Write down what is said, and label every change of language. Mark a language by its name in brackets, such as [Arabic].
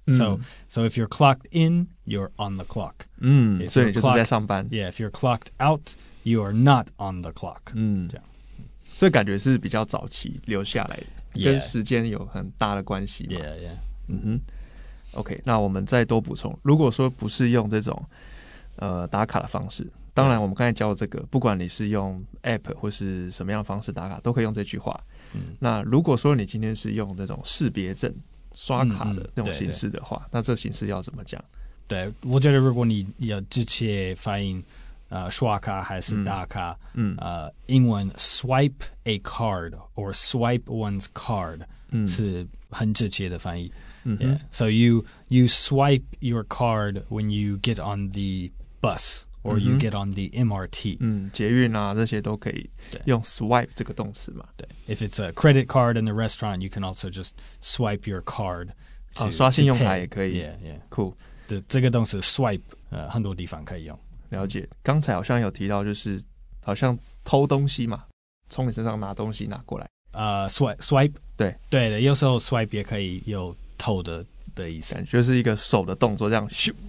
[English] So if you're clocked in, you're on the clock。 [Chinese] 所以你就是在上班。 [English] Yeah, if you're clocked out, you are not on the clock。 [Chinese] 这感觉是比较早期留下来的。 [English] Yeah, [Chinese] 跟时间有很大的关系。 [English] Yeah [Chinese] OK, 那我们再多补充，如果说不是用这种打卡的方式，当然我们刚才教的这个，不管你是用 APP 或是什么样的方式打卡都可以用这句话。那如果说你今天是用这种识别证刷卡的那种形式的话，那这形式要怎么讲？对，我觉得如果你要直接发音刷卡还是打卡、嗯 [English] 英文 swipe a card or swipe one's card、嗯、 [Chinese] 是很直接的翻译、嗯 [English] yeah. So you swipe your card when you get on the bus or、嗯、 you get on the MRT、 [Chinese] 嗯、捷运啊这些都可以用 swipe 这个动词嘛 [English] 对 If it's a credit card in the restaurant you can also just swipe your card to,、 [Chinese] 哦、刷信用卡也可以 [English] Yeah, yeah Cool [Chinese] 这个动词 swipe、很多地方可以用了解，刚才好像有提到，就是好像偷东西嘛，从你身上拿东西拿过来。 [English] Swipe， [Chinese] 对对的，有时候 swipe 也可以有偷的意思，就是一个手的动作，这样咻，